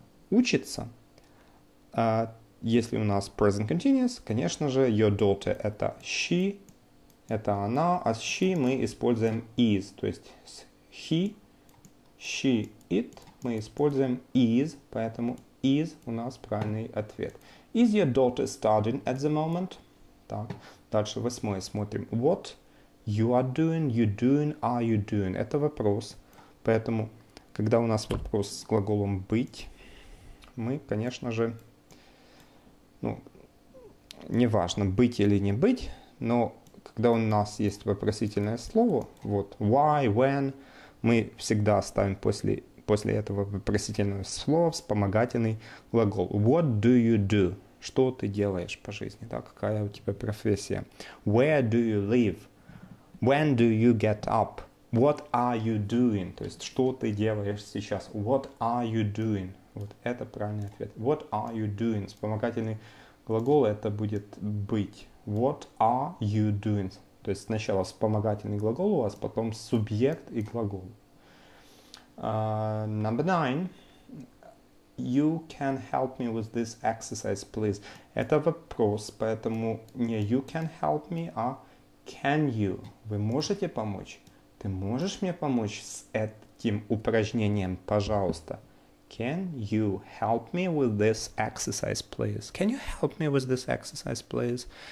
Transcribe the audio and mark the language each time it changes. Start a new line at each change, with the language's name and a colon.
Russian: Учится. Если у нас present continuous, конечно же, your daughter это she, это она. А с she мы используем is. То есть с he, she, it мы используем is. Поэтому is у нас правильный ответ.
English: Is your daughter studying at the moment?
Russian: Так, дальше восьмое, смотрим.
English: What you are doing, you doing, are you doing?
Russian: Это вопрос. Поэтому, когда у нас вопрос с глаголом быть, мы, конечно же, ну, не важно, быть или не быть, но когда у нас есть вопросительное слово, вот, why, when, мы всегда ставим после этого вопросительного слова вспомогательный глагол.
English: What do you do?
Russian: Что ты делаешь по жизни, да, какая у тебя профессия?
English: Where do you live? When do you get up? What are you doing?
Russian: То есть, что ты делаешь сейчас?
English: What are you doing?
Russian: Вот это правильный ответ.
English: What are you doing?
Russian: Вспомогательный глагол это будет быть.
English: What are you doing?
Russian: То есть, сначала вспомогательный глагол у вас, потом субъект и глагол.
English: Number nine. You can help me with this exercise, please.
Russian: Это вопрос, поэтому не you can help me, а can you. Вы можете помочь? Ты можешь мне помочь с этим упражнением, пожалуйста?
English: Can you help me with this exercise, please? Can you help me with this exercise, please?